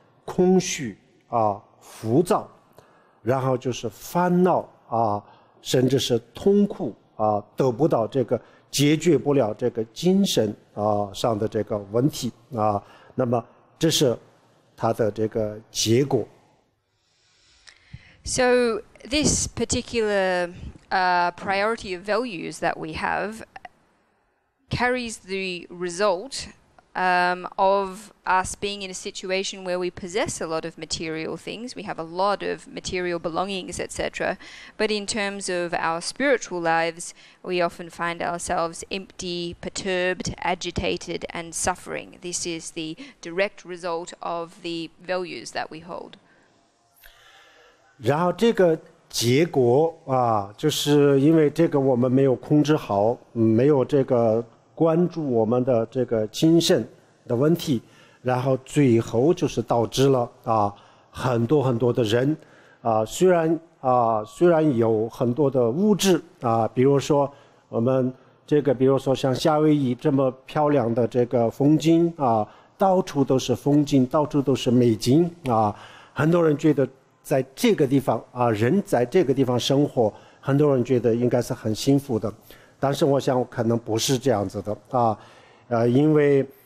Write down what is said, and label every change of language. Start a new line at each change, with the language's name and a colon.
Chinese: 空虚啊，浮躁，然后就是烦恼啊，甚至是痛苦啊，得不到这个解决不了这个精神啊上的这个问题啊，那么这是它的这个结果。
English: So this particular priority of values that we have carries the result. Of us being in a situation where we possess a lot of material things, we have a lot of material belongings, etc. But in terms of our spiritual lives, we often find ourselves empty, perturbed, agitated, and suffering. This is the direct result of the values that we hold.
Chinese: 然后这个结果啊，就是因为这个我们没有控制好，没有这个关注我们的这个精神。的问题，然后最后就是导致了啊，很多很多的人啊，虽然有很多的物质啊，比如说我们这个，比如说像夏威夷这么漂亮的这个风景啊，到处都是风景，到处都是美景啊，很多人觉得在这个地方啊，人在这个地方生活，很多人觉得应该是很幸福的，但是我想可能不是这样子的啊，因为。